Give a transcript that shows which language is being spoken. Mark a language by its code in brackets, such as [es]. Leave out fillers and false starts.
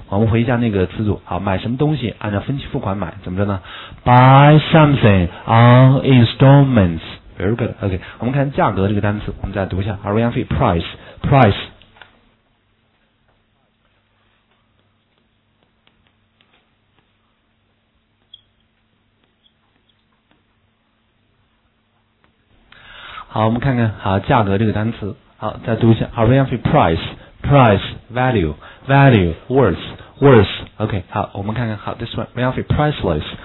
[zh] 我们回一下那个词组，好，买什么东西按照分期付款买怎么说呢？ [en] Buy something on installments. Very good. [zh] OK, 我们看价格这个单词，我们再读一下 ， [en] arrange fee, price, price. [zh] 好，我们看看好价格这个单词，好，再读一下 ， [en] arrange fee, price, price, value, value, worth, worth. OK, [zh] 好，我们看看好 [en] this one, arrange fee, priceless.